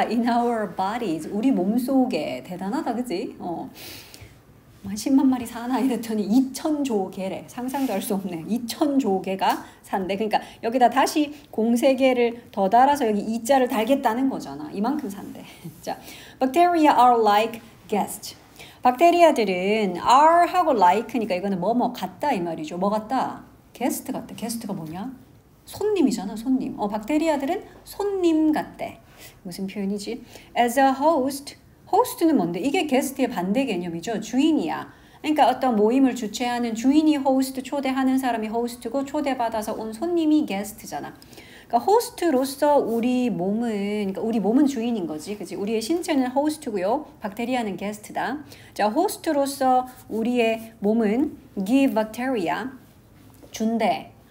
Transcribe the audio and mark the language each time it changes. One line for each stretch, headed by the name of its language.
English: In our bodies,
Korean: 우리 몸 속에. 대단하다, 그지? 10만 마리 사나 이랬더니 2000조 개래. 상상도 할 수 없네. 2000조 개가 산대. 그러니까 여기다 다시 공세계를 더 달아서 여기 2자를 달겠다는 거잖아. 이만큼 산대.
English: 자, bacteria are like guests.
Korean: 박테리아들은 are 하고 like니까 이거는 뭐뭐 같다 이 말이죠. 뭐 같다? guest 같다. guest가 뭐냐? 손님이잖아, 손님. 박테리아들은 손님 같대. 무슨 표현이지?
English: As a host,
Korean: 호스트는 뭔데? 이게 게스트의 반대 개념이죠. 주인이야. 그러니까 어떤 모임을 주최하는 주인이 호스트, 초대하는 사람이 호스트고 초대받아서 온 손님이 게스트잖아. 그러니까 호스트로서 우리 몸은, 그러니까 우리 몸은 주인인 거지. 그치? 우리의 신체는 호스트고요. 박테리아는 게스트다. 자, 호스트로서 우리의 몸은
English: give bacteria,
Korean: 준대.